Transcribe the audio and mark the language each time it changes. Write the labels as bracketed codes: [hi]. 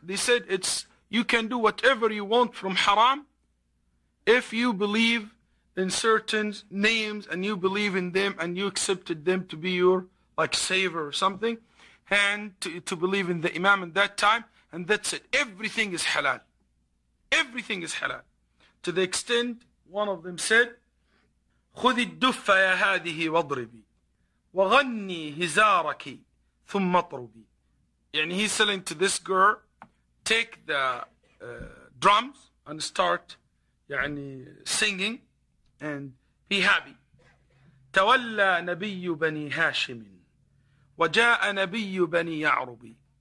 [en] They said, you can do whatever you want from Haram if you believe in certain names and you believe in them and you accepted them to be your like savior or something. And to believe in the Imam in that time, and that's it. Everything is halal. Everything is halal. [ar] To the extent, one of them said, خُذِ الدُّفَّ يَا هَذِهِ وَضْرِبِي وَغَنِّي هِزَارَكِ ثُمَّ طْرُبِي. [en] يعني he's selling to this girl, take the drums and start يعني singing and be happy. [ar] تَوَلَّى نَبِيُّ بَنِي هَاشِمٍ وَجَاءَ نَبِيُّ بَنِي يَعْرُبِي.